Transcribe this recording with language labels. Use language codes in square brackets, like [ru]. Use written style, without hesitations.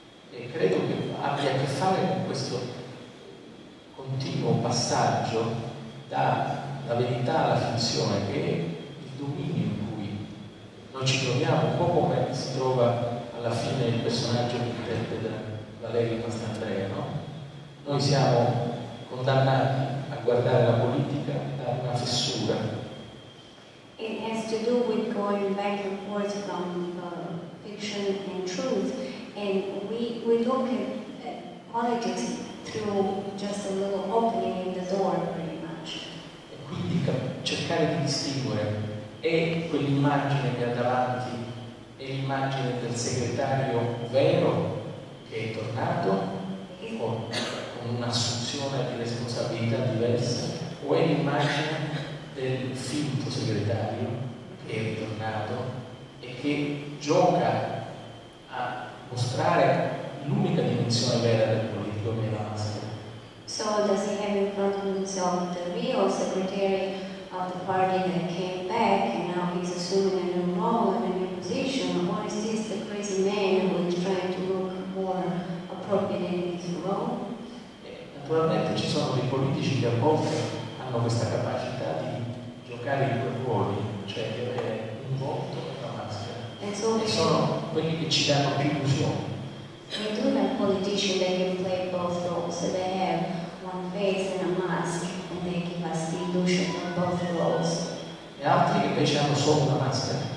[it] e credo che abbia a che fare con questo continuo passaggio dalla verità alla finzione, che è il dominio in cui noi ci troviamo, un po' come si trova alla fine il personaggio che interpreta Valerio Mastandrea, no? Noi siamo condannati a guardare la politica da una fessura. [en] It has to do with going back and forth from fiction and truth, and we look at politics through just a little opening in the door, pretty much. [it] E quindi cercare di distinguere è quell'immagine che ha davanti, è l'immagine del segretario vero che è tornato con un'assunzione di responsabilità diversa, o è l'immagine del finto segretario che è ritornato e che gioca a mostrare l'unica dimensione vera del politico, che è la maschera. [en] So does he have in front of himself the real secretary of the party that came back and now he's assuming a new role and a new position? Or is this the crazy man who is trying to look more appropriate in his role? [it] Naturalmente ci sono dei politici che a volte hanno questa capacità di giocare in due ruoli, cioè di avere un volto e una maschera. [en] So [it] e sono quelli che ci danno più illusione. [en] We do have politicians that can play both roles, so they have one face and a mask, and they give us the illusion of both roles. [it] E altri che invece hanno solo una maschera.